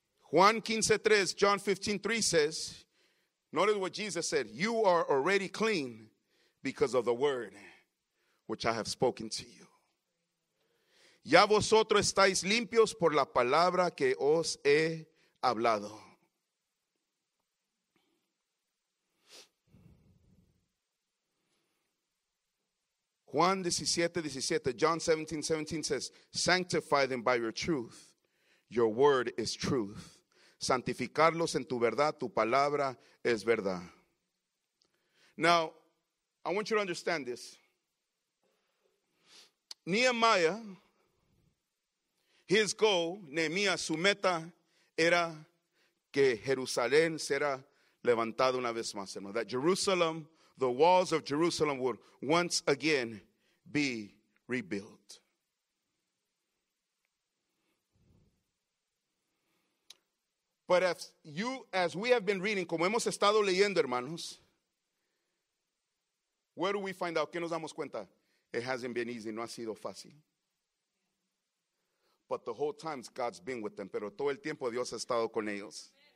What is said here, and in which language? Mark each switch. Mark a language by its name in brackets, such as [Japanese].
[English] Juan 15:3, John 15:3 says, notice what Jesus said, you are already clean because of the word which I have spoken to you. [Spanish] Ya vosotros estáis limpios por la palabra que os he hablado. [English] Juan 17:17, John 17:17 says, sanctify them by your truth. Your word is truth. [Spanish] Santificarlos en tu verdad, tu palabra es verdad. [English] Now, I want you to understand this. [Spanish] Nehemiah, [English] his goal, [Spanish] Nehemiah, su meta era que Jerusalén será levantada una vez más. [English] That Jerusalem, the walls of Jerusalem were once again be rebuilt. But as we have been reading, [Spanish] como hemos estado leyendo, hermanos, [English] where do we find out? [Spanish] ¿Qué nos damos cuenta? [English] It hasn't been easy. [Spanish] No ha sido fácil. [English] But the whole time God's been with them. [Spanish] Pero todo el tiempo Dios ha estado con ellos.